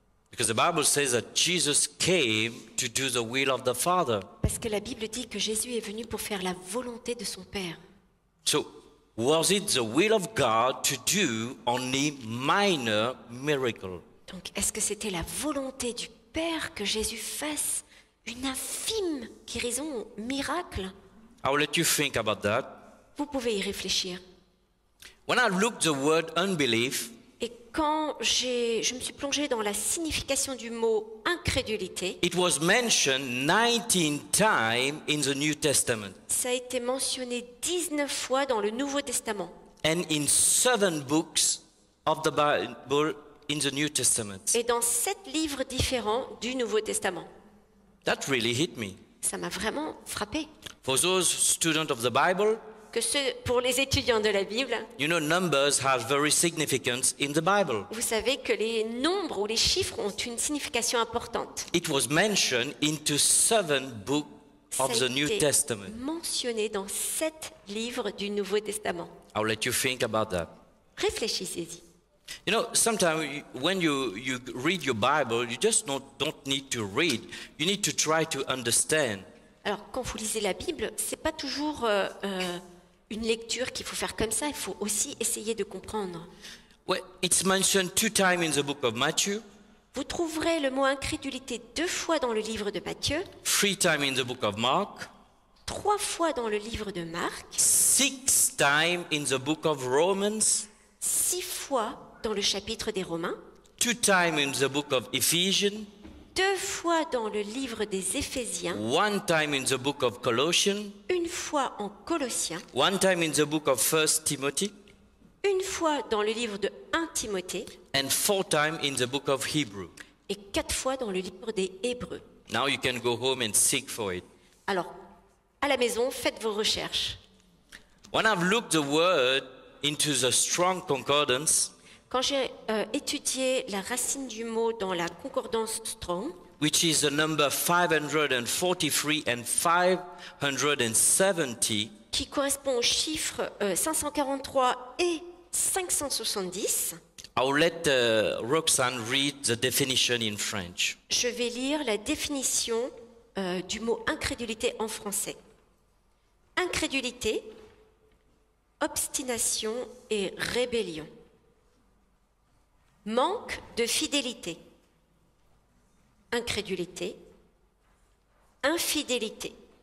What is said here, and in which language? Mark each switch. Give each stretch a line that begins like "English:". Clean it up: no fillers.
English: Because the Bible says that Jesus came to do the will of the Father.
French: Parce que la Bible dit que Jésus est venu pour faire la volonté de son Père.
English: So, was it the will of God to do only minor miracle?
French: Donc, est-ce que c'était la volonté du Père que Jésus fasse une infime guérison, miracle?
English: I will let you think about that.
French: Vous pouvez y réfléchir.
English: When I look the word unbelief.
French: Et quand je me suis plongé dans la signification du mot incrédulité,
English: it was mentioned 19 times in the New Testament.
French: Ça a été mentionné 19 fois dans le Nouveau Testament.
English: And in 7 books of the Bible in the New Testament.
French: Et dans 7 livres différents du Nouveau Testament.
English: That really hit me.
French: Ça m'a vraiment frappé.
English: For those students of the Bible.
French: Que pour les étudiants de la Bible.
English: You know, numbers have very significance in the Bible.
French: Vous savez que les nombres ou les chiffres ont une signification importante.
English: It was mentioned into 7 books of the New Testament.
French: Mentionné dans 7 livres du Nouveau Testament.
English: I'll let you think about that.
French: Réfléchissez-y.
English: You know, sometimes when you read your Bible, you just don't need to read. You need to try to understand.
French: Alors, quand vous lisez la Bible, ce n'est pas toujours une lecture qu'il faut faire comme ça. Il faut aussi essayer de comprendre.
English: Well, it's mentioned two times in the book of Matthew.
French: Vous trouverez le mot incrédulité deux fois dans le livre de Matthieu.
English: Three times in the book of Mark.
French: Trois fois dans le livre de Marc.
English: Six times in the book of Romans.
French: Six fois dans le chapitre des Romains.
English: Two times in the book of Ephesians.
French: Deux fois dans le livre des Éphésiens.
English: One time in the book of Colossians.
French: Une fois en Colossiens.
English: One time in the book of 1 Timothy.
French: Une fois dans le livre de 1 Timothée.
English: And four times in the book of Hebrews.
French: Et quatre fois dans le livre des Hébreux.
English: Now you can go home and seek for it.
French: Alors, à la maison, faites vos recherches.
English: When I've looked the word into the strong concordance.
French: Quand j'ai étudié la racine du mot dans la concordance Strong,
English: which is the number 543 and 570,
French: qui correspond aux chiffres 543 et 570,
English: I'll let Roxane read the definition in French.
French: Je vais lire la définition du mot incrédulité en français. Incrédulité, obstination et rébellion. Manque de fidélité, incrédulité, infidélité.